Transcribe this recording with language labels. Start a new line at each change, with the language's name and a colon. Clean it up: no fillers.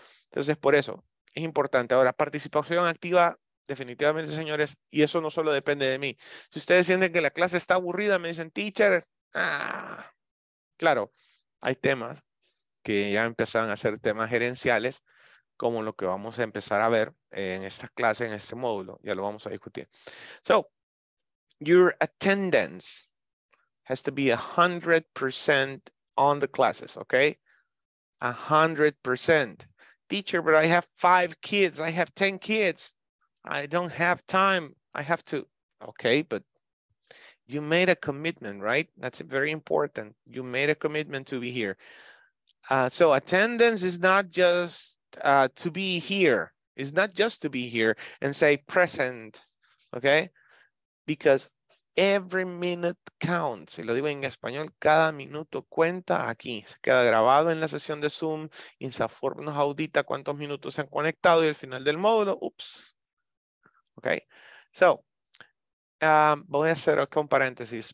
Spanish: Entonces, por eso, es importante. Ahora, participación activa, definitivamente, señores, y eso no solo depende de mí. Si ustedes sienten que la clase está aburrida, me dicen, teacher, claro, hay temas que ya empezaron a ser temas gerenciales, como lo que vamos a empezar a ver en esta clase, en este módulo. Ya lo vamos a discutir.
English: So, your attendance has to be 100% on the classes, okay? 100%. Teacher, but I have 5 kids. I have 10 kids. I don't have time. I have to. Okay, but you made a commitment, right? That's very important. You made a commitment to be here. So, attendance is not just to be here. It's not just to be here and say present, okay? Because every minute counts.
Spanish: Y lo digo en español, cada minuto cuenta aquí. Se queda grabado en la sesión de Zoom. INSAFORM nos audita cuántos minutos se han conectado y al final del módulo, ups. Okay? So, voy a hacer acá un paréntesis.